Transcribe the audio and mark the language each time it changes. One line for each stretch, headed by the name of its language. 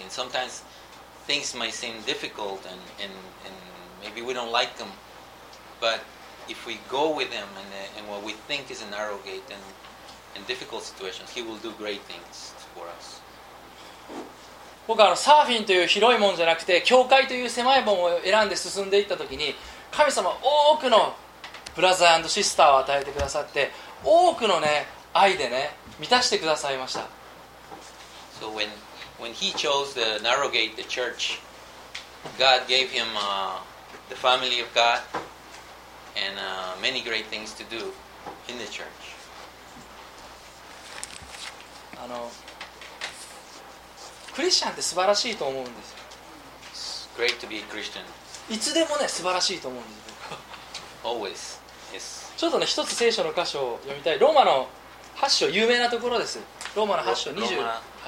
English: And sometimes things might seem difficult and maybe we don't like them. But if we go with him and what we think is a narrow gate and difficult situations, he will do great things for us.
Japanese: 僕はサーフィンという広いもんじゃなくて教会という狭いもんを選んで進んでいったときに、神様多くのブラザー&シスターを与えてくださって、多くの、ね、愛で、ね、満たしてくださいました。
English: So when he chose the narrow gate, the church, God gave him the family of God and many great things to do in the church.
Japanese: クリスチャンって素晴らしいと思うんですよ。
English: Great to be a Christian.
Japanese: いつでもね、素晴らしいと思うんですよ。
English: Always. Yes.
Japanese: ちょっとね、一つ聖書の箇所を読みたい。ローマの8章、有名なところです。ローマの8章、28かな。